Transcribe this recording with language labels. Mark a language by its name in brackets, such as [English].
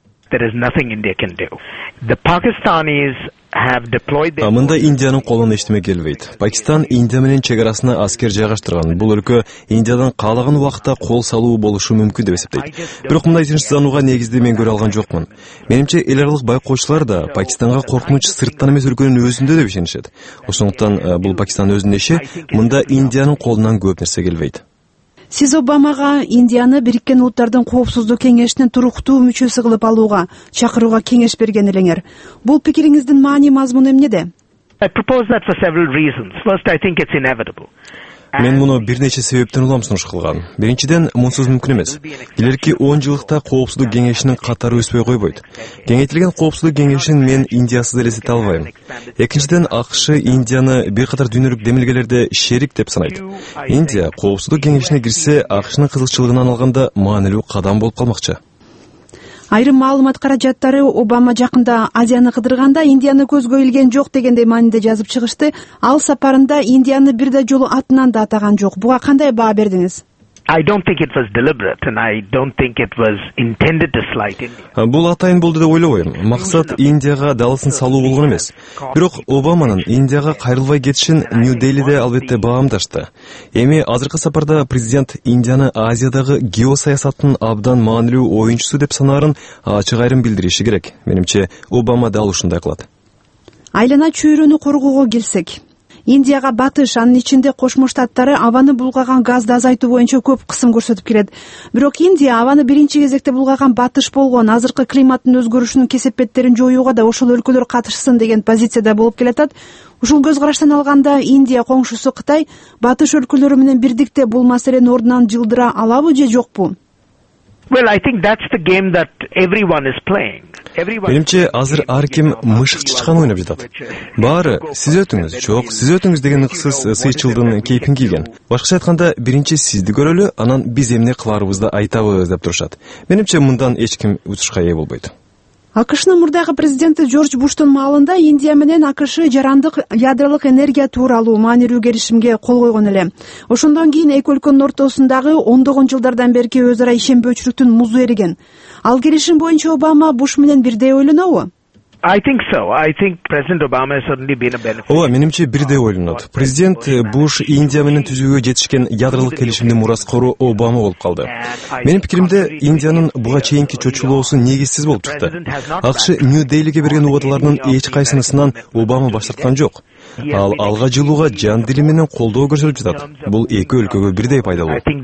[English] There is nothing India can do. The Pakistanis have deployed their [Kyrgyz] Аманда Индиянын колун эчтеме келбейт. Пакистан Индия менен чек арасына аскер жайгаштырган. Бул өлкө Индиядан каалаган убакта кол салуу болушу мүмкүн деп эсептейт. Бирок мындай тынчтык заңга негизде мен көрө алган жокмун. Менимче эл аралык байкоочулар да Пакистанга коркунуч сырттан эмес өлкөнүн өзүндө деп ишенишет. Ошондуктан бул Пакистан өзүнүн иши, мында Индиянын колунан көп нерсе келбейт. Сиз Обамага Индияны Бириккен Улуттардын Коопсуздук Кеңешинин туруктуу мүчөсү кылып алууга чакырууга кеңеш берген элеңер. Бул пикириңиздин маани мазмуну эмнеде? [English] I propose that for several reasons. First, I think it's inevitable. [Kyrgyz] Мен муну бир нече себептен улам сунуш кылган. Биринчиден, мунсуз мүмкүн эмес. Келерки 10 жылдыкта Коопсуздук Кеңешинин катары өспөй койбойт. Кеңейтилген Коопсуздук Кеңешин мен Индиясыз элестете албайм. Экинчиден, АКШ Индияны бир катар дүйнөлүк демилгелерде шерик деп санайт. Индия Коопсуздук Кеңешине кирсе, АКШнын кызылчылыгынан алганда маанилүү кадам болуп калмакчы. Айрым маалымат каражаттары Обама жакында Азияны кыдырганда Индияны көзгө илген жок дегендей мааниде жазып чыгышты. Ал сапарында Индияны бир да жолу атынан да атаган жок. Буга кандай баа бердиңиз? [English] I don't think it was deliberate and I don't think it was intended to slight India. [Kyrgyz] Бул атайын болду деп ойлобойм. Максат Индияга далысын салуу болгон эмес. Бирок Обаманын Индияга кайрылбай кетишин Нью-Делиде албетте баамдашты. Эми азыркы сапарда президент Индияны Азиядагы геосаясаттын абдан маанилүү оюнчусу деп санаарын ачык айрым билдириши керек. Менимче Обама дал ушундай кылат. Айлана чүйрөнү коргоого келсек, Индияга батыш, анын ичинде Кошмо Штаттары абаны булгаган газды азайтуу боюнча көп кысым көрсөтүп келет. Бирок Индия абаны биринчи кезекте булгаган батыш болгон, азыркы климаттын өзгөрүшүнүн кесепеттерин жоюуга да ошол өлкөлөр катышсын деген позицияда болуп келатат. Ушул көз караштан алганда Индия коңшусу Кытай батыш өлкөлөрү менен бирдикте бул маселени ордунан жылдыра алабы же жокпу? [English] Well, I think that's the game that everyone is playing. [Kyrgyz] Менимче азыр ар ким мышык чычканы ойноп жатат. Баары сиз өтүңүз, жок сиз өтүңүз деген ыксыз сыйчылдын кейпин кийген. Башкача айтканда, биринчи сизди көрөлү, анан биз эмне кыларыбызды айтабыз деп турушат. Менимче мындан эч ким утушка ээ болбойт. АКШнын мурдагы президенти Джордж Буштун маалында Индия менен АКШ жарандык ядролук энергия тууралуу маанилүү келишимге кол койгон эле. Ошондон кийин эки өлкөнүн ортосундагы ондогон жылдардан берки өз ара ишенбөөчүлүктүн музу эриген. Ал келишим боюнча Обама Буш менен бирдей ойлонобу? [English] I think so. I think President Obama has certainly been a beneficiary. [Kyrgyz] Ооба, менимче бирдей ойлонот. Президент Буш Индия менен түзүүгө жетишкен ядролук келишимди мураскору Обама болуп калды. Менин пикиримде Индиянын буга чейинки чочулоосу негизсиз болуп чыкты. АКШ Нью-Делиге берген убадаларынын эч кайсынысынан Обама баш тарткан жок. Ал алга жылууга жан дили менен колдоо көрсөтүп жатат. Бул эки өлкөгө бирдей пайдалуу.